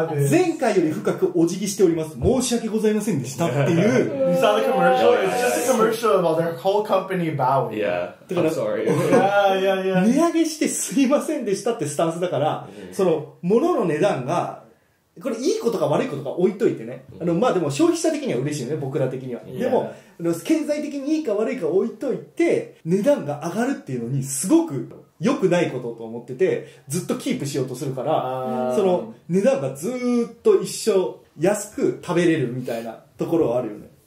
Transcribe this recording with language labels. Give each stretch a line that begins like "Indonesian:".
Japanese: 前回より深くお辞儀しております。申し訳ございませんでしたっていう。
English: You saw the commercial? It's just a commercial about their whole company bowing. Yeah. I'm sorry. Yeah.
Japanese: 値上げしてすいませんでしたってスタンスだから、その、物の値段が、これいいことか悪いことか置いといてね。あの、まあでも消費者的には嬉しいよね、僕ら的には。でも、経済的にいいか悪いか置いといて、値段が上がるっていうのにすごく、良くないことと思ってて、ずっとキープしようとするから、その値段がずーっと一生安く食べれるみたいなところはあるよね。